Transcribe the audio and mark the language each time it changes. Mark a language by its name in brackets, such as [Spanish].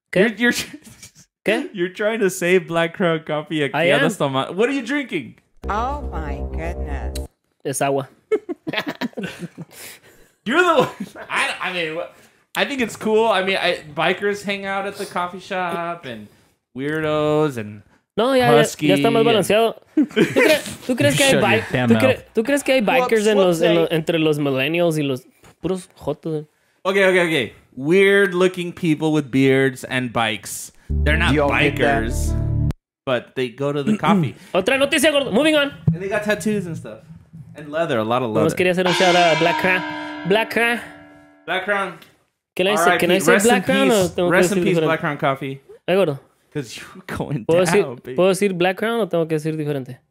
[English] Okay? You're trying to save Black Crown coffee. I am. Stomach. What are you drinking? Oh my goodness. It's agua. You're the one. I think it's cool. I mean, bikers hang out at the coffee shop and... Weirdos and husky. [Spanish] Ya está más balanceado. ¿Tú crees que hay bikers entre los millennials y los puros jotos? [English] Okay. Weird looking people with beards and bikes. They're not bikers, but they go to the coffee. [Spanish] Otra noticia, gordo. [English] Moving on. And they got tattoos and stuff. And leather, a lot of leather. [Spanish] Nos quería hacer un shout out a Black Crown. [English] Black Crown. Black Crown. Can I say Black Crown? Rest in peace, Black Crown Coffee. [Spanish] Ay, gordo. [English] Because you're going down, baby. [Spanish] ¿Puedo decir Black Crown o tengo que decir diferente?